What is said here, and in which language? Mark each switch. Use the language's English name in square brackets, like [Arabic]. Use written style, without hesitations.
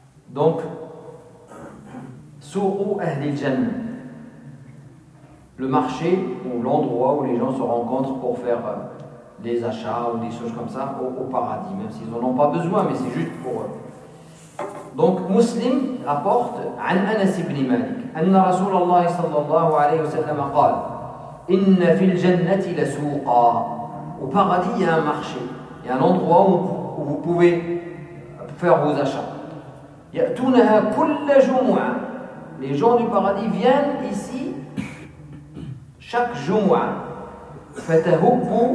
[Arabic] Donc, Sou'u Ahlil Jannah. [French] Le marché ou l'endroit où les gens se rencontrent pour faire des achats ou des choses comme ça au paradis, même s'ils n'en ont pas besoin, mais c'est juste pour eux. Donc, Muslim rapporte [Arabic] عن أنس بن مالك أن رسول الله صلى الله عليه وسلم قال إن في الجنة لسوقا. [French] Au paradis, il y a un marché. Il y a un endroit où vous pouvez faire vos achats. [Arabic] يَأْتُونَهَا كُلَّ جُمُعَ. [French] Les gens du paradis viennent ici chaque jour. [Arabic] فَتَهُبُّ.